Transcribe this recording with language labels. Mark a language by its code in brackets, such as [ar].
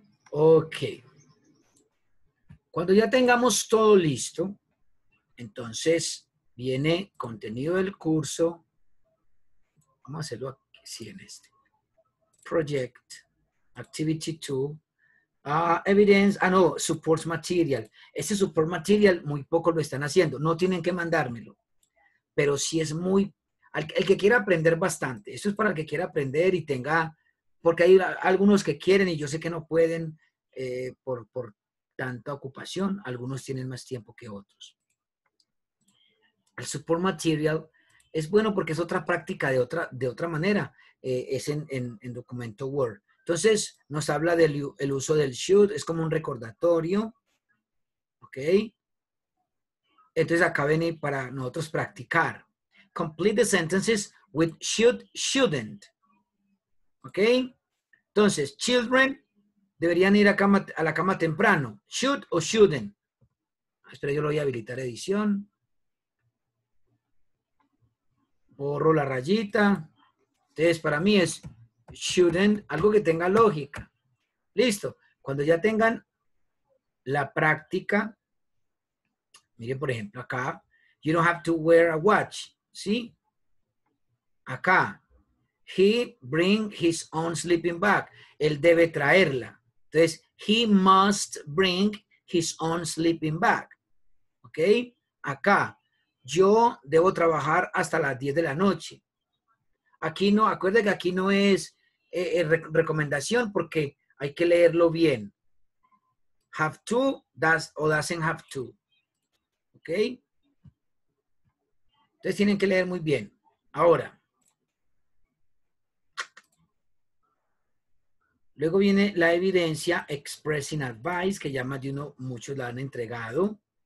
[es] Ok. Cuando ya tengamos todo listo, entonces, viene contenido del curso. Vamos a hacerlo aquí, sí, en este. [en] Project, activity 2, evidence, support material. [es] Este support material, muy poco lo están haciendo. No tienen que mandármelo. Pero sí es muy, el que quiera aprender bastante. Esto es para el que quiera aprender y tenga, porque hay algunos que quieren y yo sé que no pueden por tanta ocupación. Algunos tienen más tiempo que otros. El support material es bueno porque es otra práctica de otra manera. Es en documento Word. Entonces, nos habla del el uso del should. Es como un recordatorio. ¿Ok? Entonces, acá viene para nosotros practicar. [en] Complete the sentences with should, shouldn't. ¿Ok? [es] Entonces, children deberían ir a la cama temprano. Should o shouldn't. Espero yo lo voy a habilitar edición. borro la rayita. Entonces, para mí es shouldn't, algo que tenga lógica. Listo. Cuando ya tengan la práctica, miren, por ejemplo, acá, [en] you don't have to wear a watch, [es] ¿sí? [en] Acá, he bring his own sleeping bag. [es] Él debe traerla. Entonces, [en] he must bring his own sleeping bag. ¿Ok? [es] Acá, yo debo trabajar hasta las 10 de la noche. Aquí no, acuérdense que aquí no es recomendación porque hay que leerlo bien. [en] Have to, does o doesn't have to. ¿Ok? [es] Entonces tienen que leer muy bien. Ahora. Luego viene la evidencia expressing advice, que ya más de uno, muchos la han entregado.